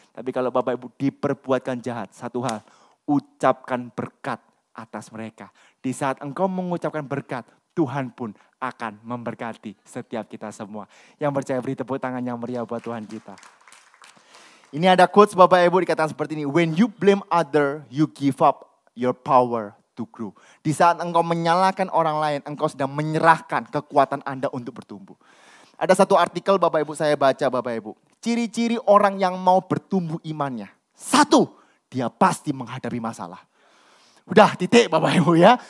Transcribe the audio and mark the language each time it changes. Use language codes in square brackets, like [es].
[id] Tapi kalau Bapak Ibu diperbuatkan jahat, satu hal, ucapkan berkat atas mereka. Di saat engkau mengucapkan berkat, Tuhan pun akan memberkati setiap kita semua. Yang percaya, beri tepuk tangan yang meriah buat Tuhan kita. Ini ada quotes Bapak Ibu, dikatakan seperti ini. [en] When you blame other, you give up your power to grow. [id] Di saat engkau menyalahkan orang lain, engkau sedang menyerahkan kekuatan Anda untuk bertumbuh. Ada satu artikel Bapak Ibu, saya baca Bapak Ibu. Ciri-ciri orang yang mau bertumbuh imannya. Satu, dia pasti menghadapi masalah. Udah titik Bapak Ibu ya.